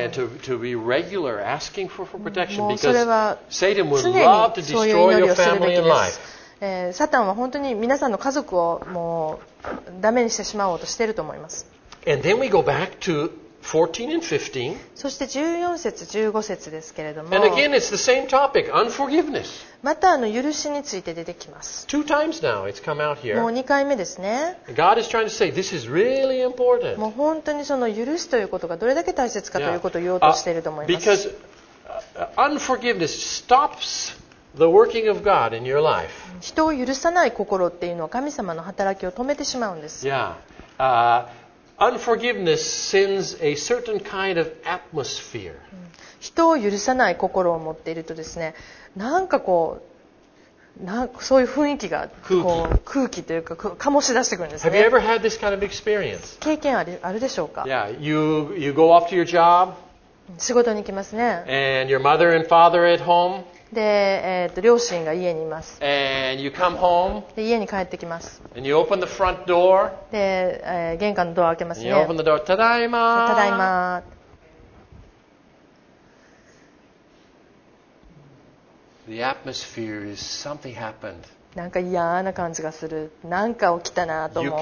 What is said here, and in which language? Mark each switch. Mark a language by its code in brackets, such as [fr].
[en] Yeah, and to be regular asking for protection because Satan would love to destroy your family and life. [ja] サタンは本当に皆さんの家族をもうダメにしてしまおうとしていると思います。 [en] And then we go back to 14 and 15. [ja] そして14節15節ですけれども。 [en] And again, it's the same topic, unforgiveness. [ja] また許しについて出てきます。 [en] Two times now it's come out here. [ja] もう2回目ですね。 [en] God is trying to say this is really important. [ja] もう本当にその許すということがどれだけ大切かということを言おうとしていると思います。 [en] Because unforgiveness stops the working of God in your life. [ja] 人を許さない心っていうのは神様の働きを止めてしまうんです。 [en] Yeah. Unforgiveness sends a certain kind of atmosphere. [ja] 人を許さない心を持っているとですね、なんかこう、そういう雰囲気がこう空気というか醸し出してくるんですね。 [en] Have you ever had this kind of experience? [ja] 経験あるでしょうか? [en] Yeah, you go off to your job. [ja] 仕事に行きますね。 [en] And your mother and father at home. [ja] で、両親が家にいます。 [en] And you come home. [ja] で、家に帰ってきます。 [en] And you open the front door. [ja] で、玄関のドアを開けますね。 [en] And you open the door. [ja] ただいま。ただいま。 [en] The atmosphere is something happened. [ja] なんか嫌な感じがする。なんか起きたなと思う。